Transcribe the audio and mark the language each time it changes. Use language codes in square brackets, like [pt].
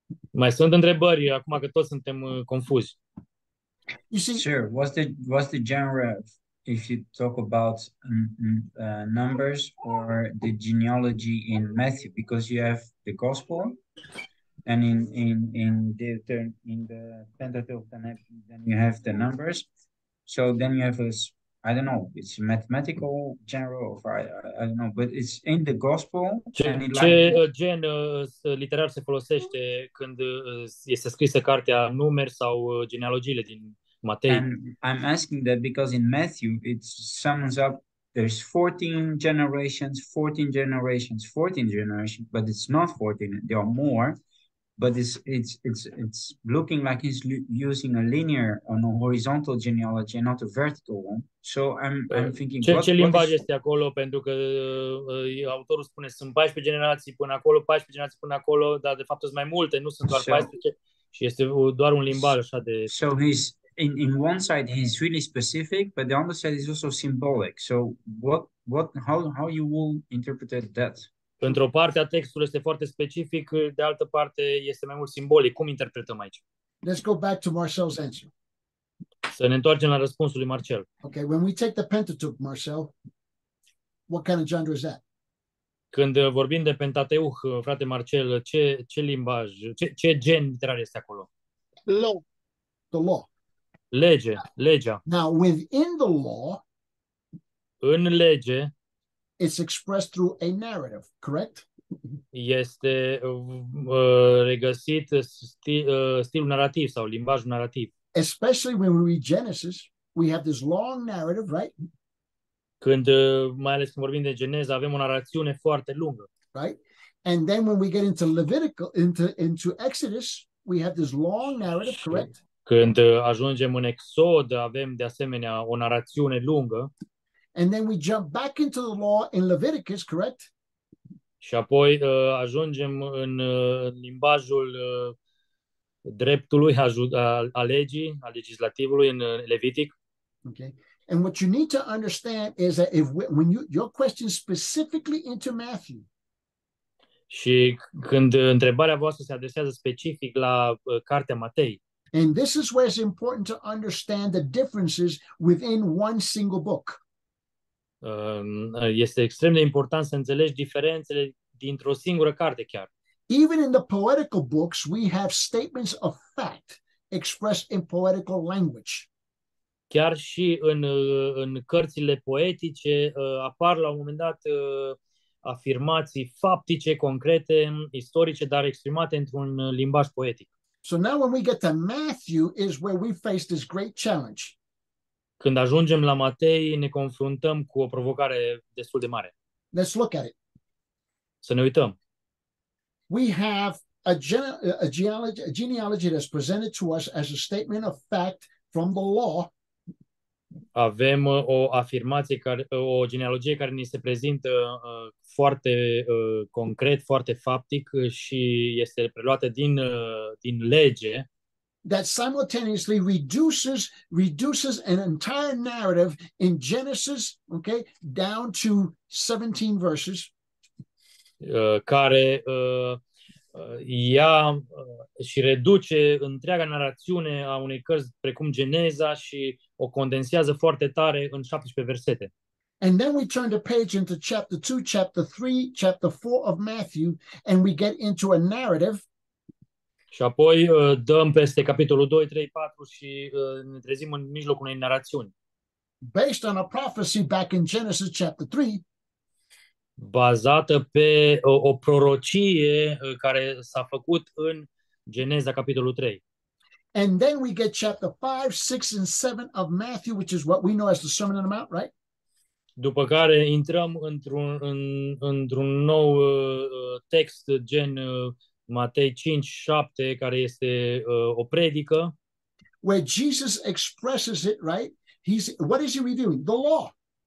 [ro] Mai sunt întrebări acum că toți suntem confuzi. [en] You see, sir, what's the genre if you talk about numbers or the genealogy in Matthew, because you have the gospel and in the Pentateuch then you have the numbers. So then you have a, I don't know, it's mathematical general, or I don't know, but it's in the gospel. [ro] Ce gen literar se folosește când este scrisă cartea Numeri sau genealogiile din Matei? [en] And I'm asking that because in Matthew it sums up, there's 14 generations, 14 generations, 14 generations, but it's not 14, there are more, but it's looking like he's using a linear on a horizontal genealogy and not a vertical one. So I'm thinking [ro] ce limbaj este acolo, pentru că autorul spune sunt 14 generații până acolo, 14 generații până acolo, dar de fapt sunt mai multe, nu sunt doar 14, și este doar un limbaj așa de. [en] So he's in one side he's really specific, but the other side is also symbolic. So how you will interpret that? [ro] Într-o parte a textului este foarte specific, de altă parte este mai mult simbolic. Cum interpretăm aici? [en] Let's go back to Marcel's answer. [ro] Să ne întoarcem la răspunsul lui Marcel. [en] Okay, when we take the Pentateuch, Marcel, what kind of genre is that? [ro] Când vorbim de Pentateuch, frate Marcel, ce limbaj, ce gen literar este acolo? [en] Law. The law. [ro] Lege, legea. [en] Now, within the law, [ro] în lege, [en] it's expressed through a narrative, correct? [ro] Este regăsit stilul narrativ sau limbajul narrativ. [en] Especially when we read Genesis, we have this long narrative, right? [ro] Când mai ales când vorbim de Geneza, avem o narațiune foarte lungă. [en] Right? And then when we get into Levitical into Exodus, we have this long narrative, correct? [ro] Când ajungem în Exod, avem de asemenea o narațiune lungă. [en] And then we jump back into the law in Leviticus, correct? [ro] Și apoi ajungem în limbajul dreptului, a legislativului în Levitic. [en] Okay. And what you need to understand is that when your question specifically into Matthew. [ro] Și când întrebarea voastră se adresează specific la cartea Matei. [en] And this is where it's important to understand the differences within one single book. [ro] Este extrem de important să înțelegi diferențele dintr-o singură carte chiar. [en] Even in the poetical books, we have statements of fact expressed in poetical language. [ro] Chiar și în cărțile poetice apar la un moment dat afirmații faptice, concrete, istorice, dar exprimate într-un limbaj poetic. [en] So now when we get to Matthew is where we face this great challenge. [ro] Când ajungem la Matei, ne confruntăm cu o provocare destul de mare. [en] Let's look at it. [ro] Să ne uităm. [en] We have a genealogy that's presented to us as a statement of fact from the law. [ro] Avem o afirmație care, o genealogie care ni se prezintă foarte concret, foarte faptic și este preluată din din lege. [en] That simultaneously reduces an entire narrative in Genesis, okay, down to 17 verses. [ro] Care ia și reduce întreaga narațiune a unei cărți precum Geneza și o condensează foarte tare în 17 versete. [en] And then we turn the page into chapter 2, chapter 3, chapter 4 of Matthew, and we get into a narrative. [ro] Și apoi dăm peste capitolul 2, 3, 4 și ne trezim în mijlocul unei narațiuni. [en] Based on a prophecy back in Genesis chapter 3, [ro] bazată pe o prorocie care s-a făcut în Geneza capitolul 3. [en] And then we get chapter 5, 6 and 7 of Matthew, which is what we know as the Sermon on the Mount, right? [ro] După care intrăm într-un nou text gen Matei 5, 7, care este o predică. [en] Where Jesus expresses it, right? He's, what is he reviewing? The law.